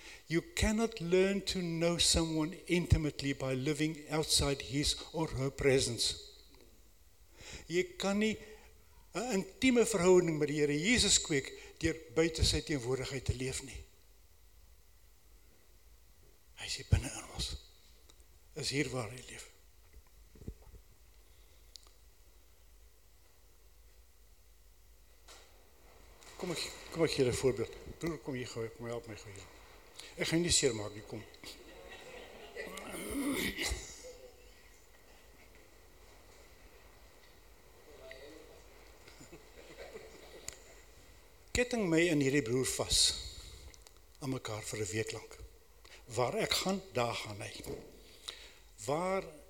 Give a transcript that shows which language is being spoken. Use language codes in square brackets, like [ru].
[en] You cannot learn to know someone intimately by living outside his or her presence. [af] Jy kan nie 'n intieme verhouding met die Here Jesus kweek deur buite sy teenwoordigheid te leef nie. Hy is hier binne in ons. Is hier waar hy leef. Kom ek gee 'n voorbeeld. Broer, kom hier gou, kom help my gou hier. Ek gaan nie seer maak nie, kom. Ketting my en hierdie broer vas aan mekaar vir 'n week lank. Waar ek gaan, daar gaan hy.